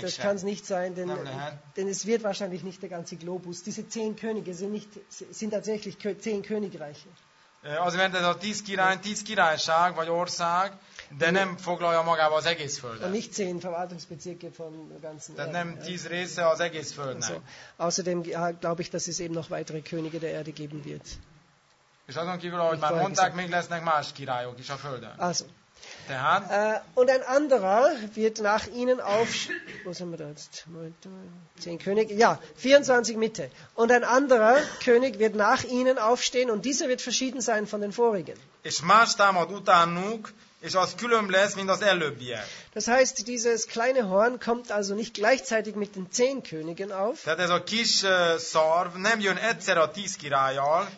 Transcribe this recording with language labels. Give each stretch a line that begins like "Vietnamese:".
German: Das kann es nicht sein, denn es wird wahrscheinlich nicht der ganze Globus. Diese 10 Könige sind tatsächlich 10 Königreiche.
Hungarian: Az mert ez a 10 király, 10 királyság vagy ország, de nem foglalja magába az egész Földet.
German: Und nicht 10 Verwaltungsbezirke von ganzen Erden.
Hungarian: Nem 10 része az egész Földnek.
German: So. Außerdem glaube ich, dass es eben noch weitere Könige der Erde geben wird.
Hungarian: És azon kívül, ahogy már mondták, még lesznek más királyok is a Földön.
German: Also.
Hungarian: Tehát?
German: Und ein anderer wird nach ihnen aufsteigen. Wo sind wir da jetzt? 10 König? Ja, 24 Mitte. Und ein anderer König wird nach ihnen aufstehen und dieser wird verschieden sein von den vorigen.
Hungarian: És más támad utánuk, és az külön lesz, mint az előbbiek.
German: Das heißt, dieses kleine Horn kommt also nicht gleichzeitig mit den 10 Königen auf.
Hungarian: Tehát ez a kis szarv nem jön egyszer a 10 királlyal.